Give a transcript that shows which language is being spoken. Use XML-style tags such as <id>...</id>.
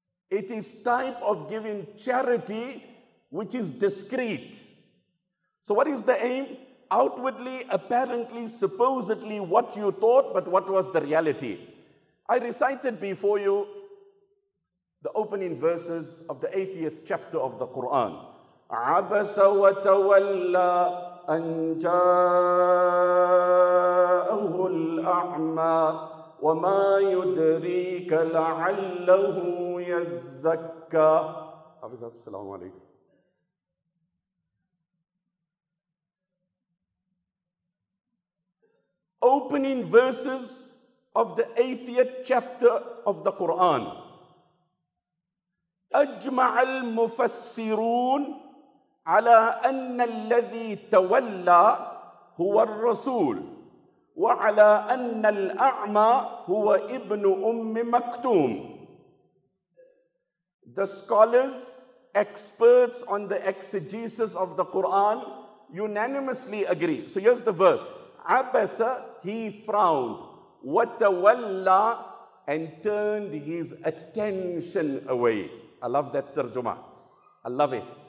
<en>It is type of giving charity which is discreet. So what is the aim? Outwardly, apparently, supposedly what you thought, but what was the reality? I recited before you the opening verses of the 80th chapter of the Quran.</en> <ar>عَبَسَ وَتَوَلَّى أن جاءه الأعمى وما يدريك لعله يزكى. حافظ السلام عليكم.</ar> <en>Opening verses of the 80th chapter of the Quran.</en> <ar>أجمع المفسرون على أن الذي تولى هو الرسول وعلى أن الأعمى هو ابن أم مكتوم.</ar> <en>The scholars, experts on the exegesis of the Quran, unanimously agree. So here's the verse. عَبَسَ, he frowned. وَتَوَلَّى, and turned his attention away. I love that tarjuma. I love it.</en>